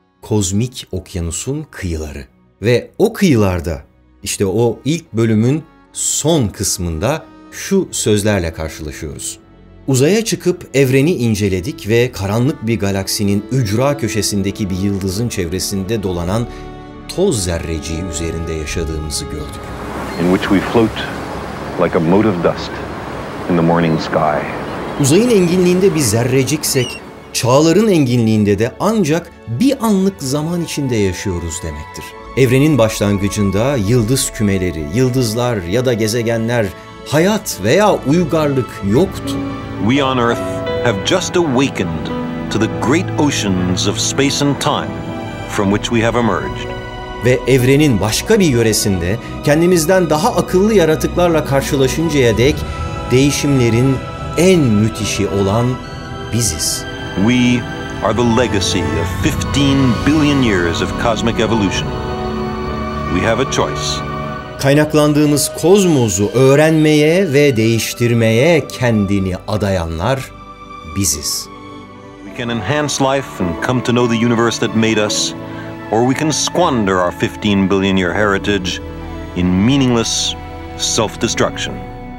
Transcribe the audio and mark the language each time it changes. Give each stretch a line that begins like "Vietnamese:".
Turkish: Kozmik Okyanus'un Kıyıları. Ve o kıyılarda, işte o ilk bölümün son kısmında şu sözlerle karşılaşıyoruz. Uzaya çıkıp evreni inceledik ve karanlık bir galaksinin ücra köşesindeki bir yıldızın çevresinde dolanan toz zerreciği üzerinde yaşadığımızı gördük.
English: In which we float like a mote of dust in the morning sky.
Turkish: Uzayın enginliğinde bir zerreciksek, çağların enginliğinde de ancak bir anlık zaman içinde yaşıyoruz demektir. Evrenin başlangıcında yıldız kümeleri, yıldızlar ya da gezegenler, hayat veya uygarlık yoktu.
English: We on Earth have just awakened to the great oceans of space and time from which we have emerged.
Turkish: Ve evrenin başka bir yöresinde kendimizden daha akıllı yaratıklarla karşılaşıncaya dek değişimlerin en müthişi olan biziz.
English: We are the legacy of 15 billion years of cosmic evolution. We have a choice.
Turkish: Kaynaklandığımız kozmosu öğrenmeye ve değiştirmeye kendini adayanlar biziz.
English: We can enhance life and come to know the universe that made us, or we can squander our 15 billion year heritage in meaningless self-destruction.